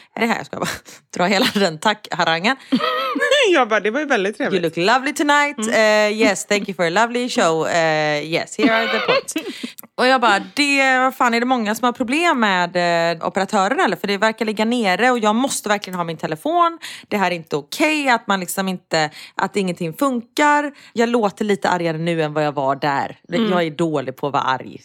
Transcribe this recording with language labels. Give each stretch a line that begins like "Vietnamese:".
Swedish: Är det här? Jag ska bara dra hela den tack-harangen. Jag bara, det var ju väldigt trevligt.
English: You look lovely tonight. Yes, thank you for a lovely show. Yes, here are the points.
Swedish: Och jag bara, vad fan, är det många som har problem med operatören eller? För det verkar ligga nere och jag måste verkligen ha min telefon. Det här är inte okej, att man liksom inte, att ingenting funkar. Jag låter lite argare nu än vad jag var där. Mm. Jag är dålig på att vara arg.